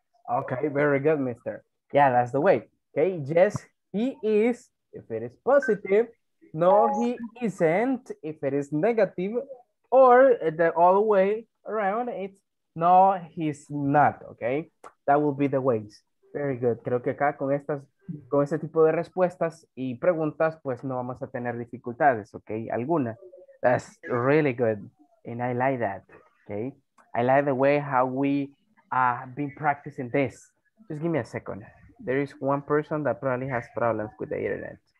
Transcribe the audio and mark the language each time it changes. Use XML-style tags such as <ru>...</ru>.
<en>Okay, very good, mister. Yeah, that's the way. Okay, yes, he is. If it is positive, no, he isn't. If it is negative, or the other way around, it's no, he's not, okay? That will be the ways. Very good.</en> <es>Creo que acá con estas, con este tipo de respuestas y preguntas, pues no vamos a tener dificultades, okay? Alguna.</es> <en>That's really good. And I like that, okay? I like the way how we have been practicing this. Just give me a second. There is one person that probably has problems with the internet.</en>